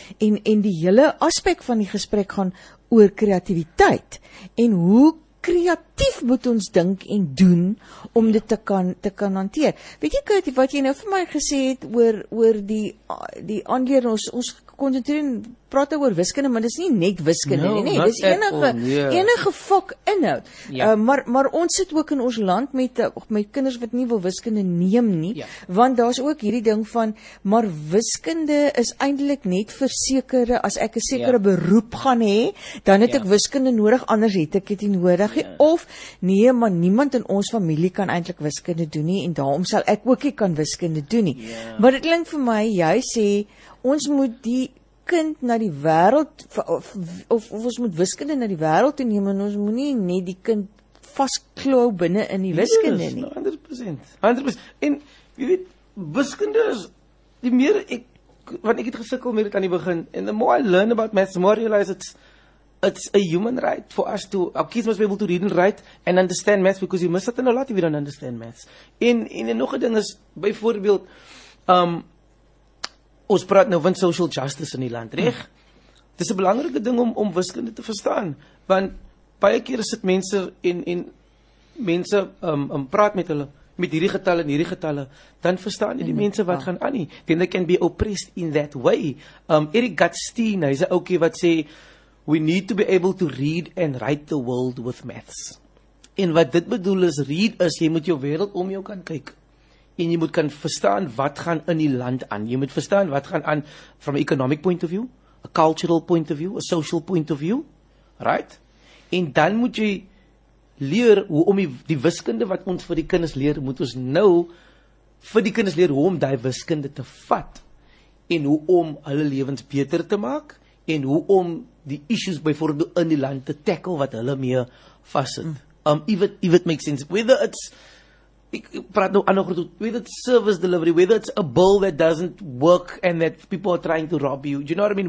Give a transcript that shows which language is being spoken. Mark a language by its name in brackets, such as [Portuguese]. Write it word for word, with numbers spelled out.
[Afrikaans] En en die hele aspek van die gesprek gaan oor kreatiwiteit en hoe kreatief moet ons dink en doen om dit te kan te kan hanteer. Weet jy Kurt, wat jy nou vir my gesê het oor oor die die aanleer ons ons konsentreer en praat oor wiskunde, maar dis nie net wiskunde [English] no, [Afrikaans] nie, nee, dis enige yeah. enige vak inhoud. Yeah. Uh, maar maar ons sit ook in ons land met met kinders wat nie wil wiskunde neem nie, [English] yeah. [Afrikaans] want daar's ook hierdie ding van maar wiskunde is eintlik net vir sekere, as ek 'n sekere yeah. beroep gaan hê, dan het yeah. ek wiskunde nodig, anders het ek dit nie nodig nie. Yeah. Of nee, maar niemand in ons familie kan eintlik wiskunde doen nie en daarom sal ek ook nie kan wiskunde doen nie. [English] Yeah. [Afrikaans] Maar dit klink vir my jy sê ons moet die kind na die wêreld of, of, of ons moet wiskunde na die wêreld toe neem en ons moenie net die kind vasklou binne in die wiskunde nie. [English] Yes, [Afrikaans] honderd persent. honderd persent. En jy weet, wiskunde is die meer ek want ek het gesukkel met dit aan die begin. [English] And the more I learn about maths, the more I realize it's it's a human right for us to our kids must be able to read and write and understand maths because you miss it in a lot if you don't understand maths. [Afrikaans] En en nog 'n ding is byvoorbeeld um ons praat nou van social justice in die land, reg? Dit is 'n belangrike ding om, om wiskunde te verstaan, want baie keer sit mense en, en mense um, um, praat met hulle, met hierdie getalle en hierdie getalle, dan verstaan jy die mm-hmm. mense wat gaan aan nie. [English] Then they can be oppressed in that way. Um, Eric Gutstein, [Afrikaans] hy is 'n ouetjie wat sê, [English] we need to be able to read and write the world with maths. [Afrikaans] En wat dit bedoel is, read is, jy moet jou wêreld om jou kan kyk. En jy moet kan verstaan wat gaan in die land aan. Jy moet verstaan wat gaan aan [English] from an economic point of view, a cultural point of view, a social point of view, right? [Afrikaans] En dan moet jy leer hoe om die, die wiskunde wat ons vir die kinders leer, moet ons nou vir die kinders leer hoe om die wiskunde te vat en hoe om hulle lewens beter te maak en hoe om die issues byvoorbeeld in die land te tackle wat hulle mee vassit. Mm. [English] Um, if it, if it makes sense, whether it's [Afrikaans] Ek praat nou ander goed, [English] whether it's service delivery, whether it's a bill that doesn't work and that people are trying to rob you, do you know what I mean?